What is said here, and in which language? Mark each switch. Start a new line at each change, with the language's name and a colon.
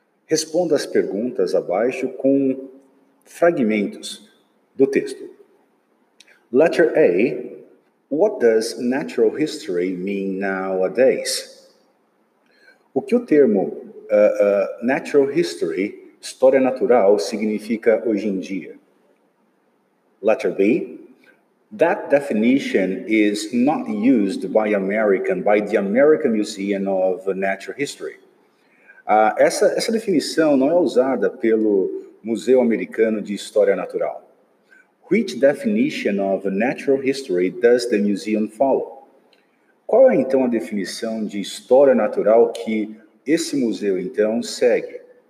Portuguese: Responda as perguntas abaixo com fragmentos do texto.
English: Letter A. What does natural history mean nowadays?
Portuguese: O que o termo natural history, história natural, significa hoje em dia?
English: Letter B. That definition is not used by the American Museum of Natural History.
Portuguese: Essa definição não é usada pelo Museu Americano de História Natural.
English: Which definition of natural history does the museum follow?
Portuguese: Qual é, então, a definição de história natural que esse museu, então, segue?